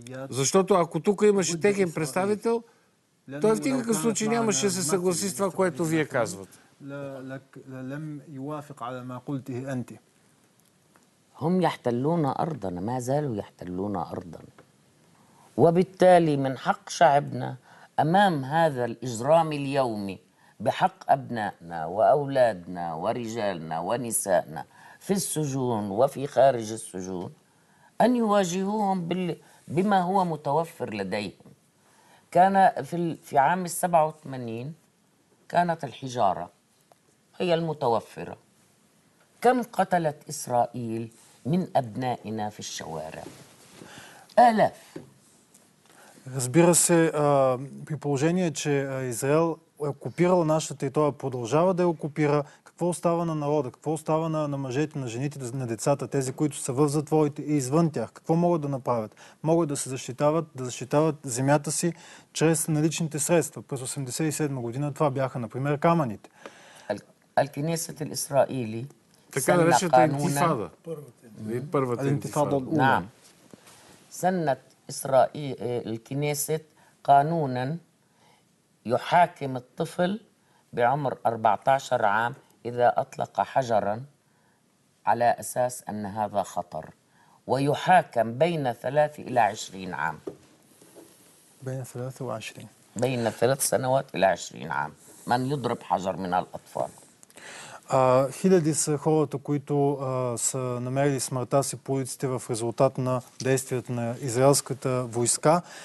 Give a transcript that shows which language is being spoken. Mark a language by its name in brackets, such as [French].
[Bulgarian] Защото ако тук имаше техен представител, той в никакъв случай нямаше да се съгласи с това, което вие казвате. [Arabic] لم يوافق على ما قلته أنت. هم يحتلون أرضنا، ما زالوا يحتلون أرضنا، وبالتالي من حق شعبنا أمام هذا الإجرام اليومي بحق أبنائنا وأولادنا ورجالنا ونسائنا في السجون وفي خارج السجون أن يواجهوهم بما هو متوفر لديهم. كان في عام 87 كانت الحجارة هي المتوفرة. كم قتلت إسرائيل من أبنائنا في الشوارع؟ آلاف. [Bulgarian] Разбира се, при положение, че Израел е окупирал нашата територия, продължава да я окупира, какво остава на народа, какво остава на мъжете, на жените, на децата, тези, които са в затворите и извън тях, какво могат да направят? Могат да се защитават, да защитават земята си чрез наличните средства. През 87 година това бяха, например, камъните. [Arabic] Алкинесът ал- Исраили. [Bulgarian] Така наречената интифада. Първата интифада. Да. [Arabic] Сеннат إسرائيل الكنيسة قانونا يحاكم الطفل بعمر 14 عام إذا أطلق حجرا على أساس أن هذا خطر، ويحاكم بين 3 إلى 20 عام. بين 3 و 20. بين 3 سنوات إلى 20 عام من يضرب حجر من الأطفال. [Bulgarian] Хиляди са хората, които са намерили смъртта си по улиците в резултат на действията на израелската войска.